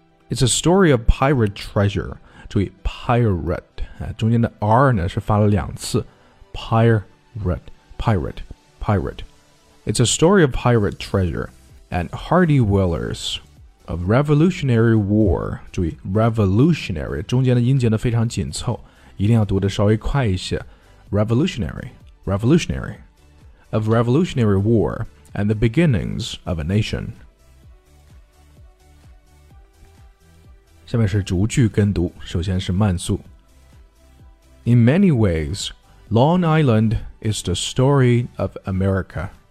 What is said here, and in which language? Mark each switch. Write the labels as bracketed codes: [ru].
[en] It's a story of pirate treasure. [zh] 注意 pirate 啊，中间的 r 呢是发了两次 ，pirate, pirate, pirate. [en] It's a story of pirate treasure. And hardy whalers of Revolutionary War. [zh] 注意 Revolutionary 中间的音节呢非常紧凑，一定要读的稍微快一些。Revolutionary, [en] revolutionary, of revolutionary war and the beginnings of a nation. [zh] 下面是逐句跟读，首先是慢速。 [en] In many ways, Long Island is the story of America.